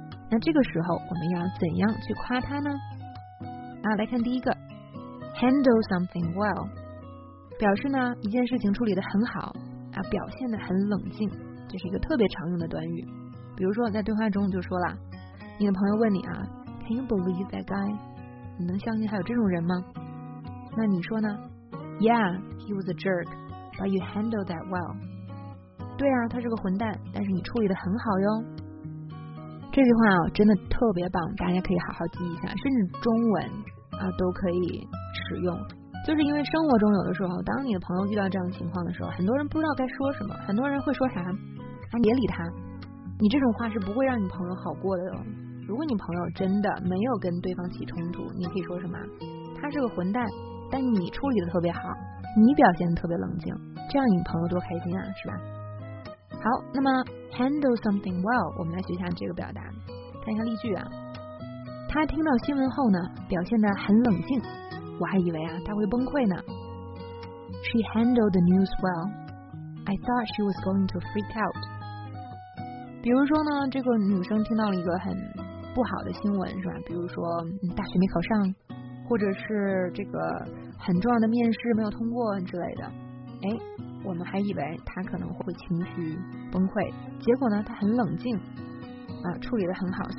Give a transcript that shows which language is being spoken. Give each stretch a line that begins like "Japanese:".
Chinese: 那这个时候我们要怎样去夸他呢？啊，来看第一个，
English: handle something well，
Chinese: 表示呢一件事情处理得很好啊，表现得很冷静，这是一个特别常用的短语。比如说在对话中就说了，你的朋友问你啊，
English: Can you believe that guy？
Chinese: 你能相信还有这种人吗？那你说呢？
English: Yeah, he was a jerk, but you handled that well。
Chinese: 对啊，他是个混蛋，但是你处理得很好哟。这句话啊真的特别棒，大家可以好好记一下，甚至中文啊都可以使用。就是因为生活中有的时候，当你的朋友遇到这样的情况的时候，很多人不知道该说什么，很多人会说啥，哎，别理他，你这种话是不会让你朋友好过的哟。如果你朋友真的没有跟对方起冲突，你可以说什么，他是个混蛋，但你处理得特别好，你表现得特别冷静，这样你朋友多开心啊，是吧？好，那么
English: handle something well，
Chinese: 我们来学一下这个表达，看一下例句啊。他听到新闻后呢表现得很冷静，我还以为啊他会崩溃呢。
English: She handled the news well. I thought she was going to freak out.
Chinese: 比如说呢，这个女生听到了一个很不好的新闻，是吧？比如说大学没考上，或者是这个很重要的面试没有通过之类的，哎，我们还以为她可能会情绪崩溃，结果呢她很冷静啊，处理得很好。